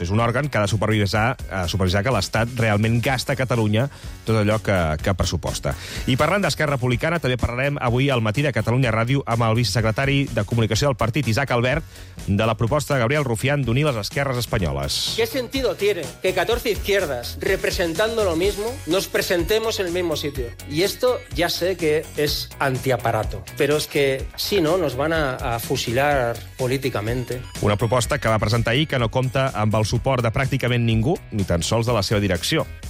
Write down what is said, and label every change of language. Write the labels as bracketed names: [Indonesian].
[Catalan] És un òrgan que ha de supervisar que l'Estat realment gasta a Catalunya tot allò que pressuposta. I parlant d'Esquerra Republicana, també parlarem avui al matí de Catalunya Ràdio amb el vicesecretari de Comunicació del partit, Isaac Albert, de la proposta de Gabriel Rufián d'unir les esquerres espanyoles. [Spanish] ¿Qué sentido tiene que 14 izquierdas representando lo mismo nos presentemos en el mismo sitio? Y esto ya sé que es antiaparato, pero es que si no, nos van a fusilar políticamente. [Catalan] Una proposta que va presentar ahir que no compta amb el suport de pràcticament ningú, ni tan sols de la seva direcció.